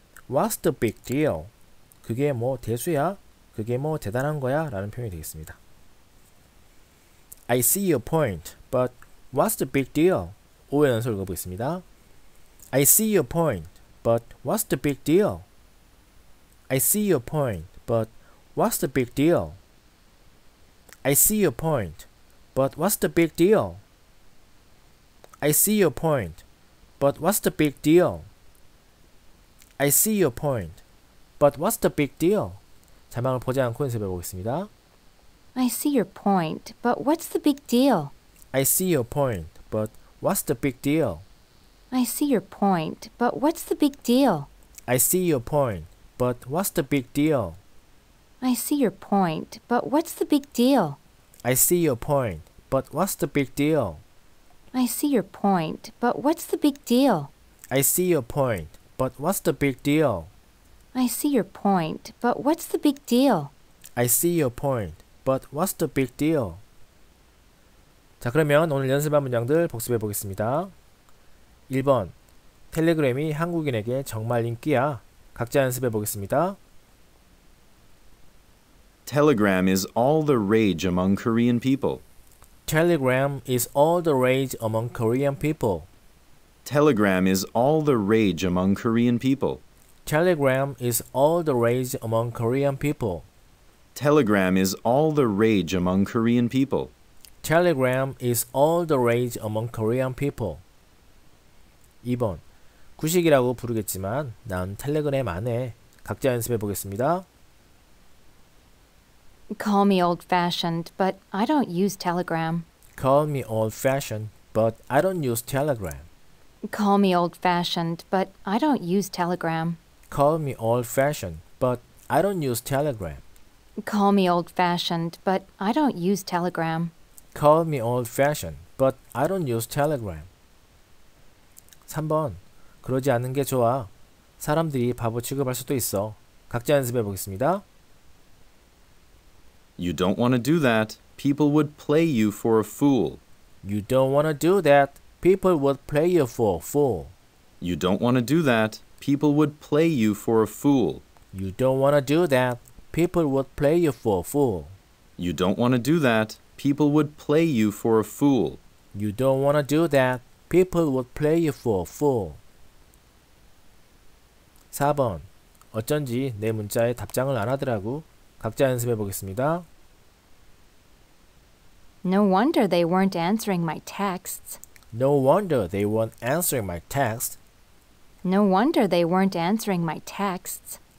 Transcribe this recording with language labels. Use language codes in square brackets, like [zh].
[en] What's the big deal? [ko] 그게 뭐 대수야? 그게 뭐 대단한 거야? 라는 표현이 되겠습니다. [en] I see your point. But what's the big deal? [ko] 5회 연속 읽어보겠습니다. [en] I see your point. But what's the big deal? I see your point, but what's the big deal? I see your point, but what's the big deal? I see your point, but what's the big deal? I see your point, but what's the big deal? [ko] 자막을 보지 않고 연습해 보겠습니다. [en] I see your point, but what's the big deal? I see your point, but what's the big deal? I see your point, but what's the big deal? I see your point. But what's the big deal? I see your point, but what's the big deal? I see your point, but what's the big deal? I see your point, but what's the big deal? I see your point, but what's the big deal? I see your point, but what's the big deal? I see your point, but what's the big deal? [ko] 자, 그러면 오늘 연습한 문장들 복습해 보겠습니다. 1번. 텔레그램이 한국인에게 정말 인기야. 각자 연습해 보겠습니다. [en] Telegram is all the rage among Korean people. Telegram is all the rage among Korean people. Telegram is all the rage among Korean people. Telegram is all the rage among Korean people. Telegram is all the rage among Korean people. Telegram is all the rage among Korean people. [ko] 2번. 구식이라고 부르겠지만 난 텔레그램 안 해. 각자 연습해 보겠습니다. [en] Call me old-fashioned, but I don't use Telegram. Call me old-fashioned, but I don't use Telegram. Call me old-fashioned, but I don't use Telegram. Call me old-fashioned, but I don't use Telegram. Call me old-fashioned, but I don't use Telegram. Call me old-fashioned, but I don't use Telegram. [ko] 3번. 그러지 않는 게 좋아. 사람들이 바보 취급할 수도 있어. 각자 연습해 보겠습니다. [en] You don't want to do that. People would play you for a fool. You don't want to do that. People would play you for a fool. You don't want to do that. People would play you for a fool. You don't want to do that. People would play you for a fool. You don't want to do that. People would play you for a fool. You don't want to do that. People would play you for a fool. [ko] 4번. 어쩐지 내 문자에 답장을 안 하더라고. 각자 연습해 보겠습니다. [en] No wonder they weren't answering my texts. No wonder they weren't answering my texts. No wonder they weren't answering my texts.